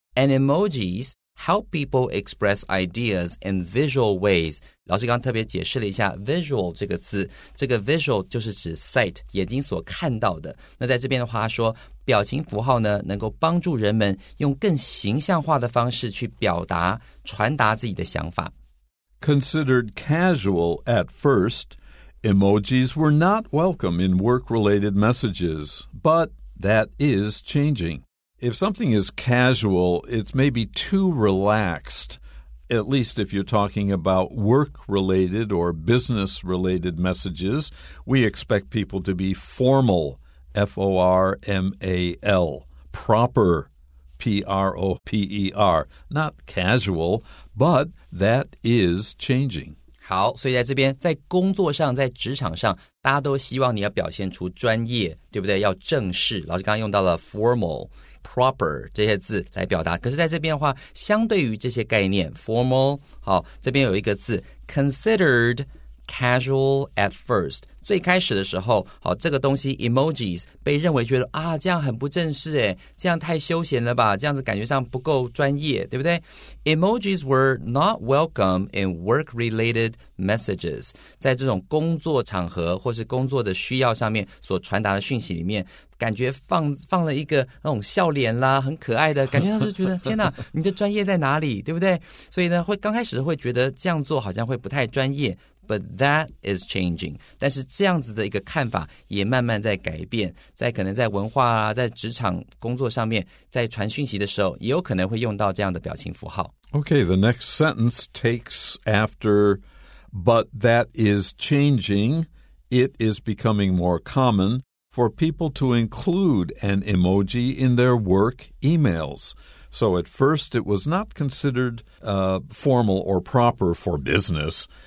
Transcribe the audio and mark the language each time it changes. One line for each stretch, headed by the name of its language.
English: And emojis help people express ideas in visual ways.
Chinese: 老师刚刚特别解释了一下 visual 这个字，这个 visual 就是指 sight, 眼睛所看到的。那在这边的话说表情符号呢能够帮助人们用更形象化的方式去表达传达自己的想法。
English: Considered casual at first,Emojis were not welcome in work-related messages, but that is changing. If something is casual, it's maybe too relaxed, at least if you're talking about work-related or business-related messages. We expect people to be formal, F-O-R-M-A-L, proper, P-R-O-P-E-R, not casual, but that is changing.
Chinese: 好，所以在这边在工作上在职场上大家都希望你要表现出专业，对不对？要正式，老师刚刚用到了 formal, proper 这些字来表达。可是在这边的话相对于这些概念 formal, 好，这边有一个字
English: considered casual at first,
Chinese: 最开始的时候，好，这个东西 emojis 被认为觉得啊，这样很不正式，这样太休闲了吧，这样子感觉上不够专业，对不对？
English: Emojis were not welcome in work-related messages.
Chinese: 在这种工作场合或是工作的需要上面所传达的讯息里面，感觉 放了一个那种笑脸啦，很可爱的感觉，他就觉得天哪，你的专业在哪里，对不对？所以呢，会刚开始会觉得这样做好像会不太专业，
English: But that is changing.
Chinese: 但是这样子的一个看法也慢慢在改变，在可能在文化啊，在职场工作上面，在传讯息的时候，也有可能会用到这样的表情符号。
English: Okay, the next sentence takes after, but that is changing. It is becoming more common for people to include an emoji in their work emails. So at first, it was not considered formal or proper for business.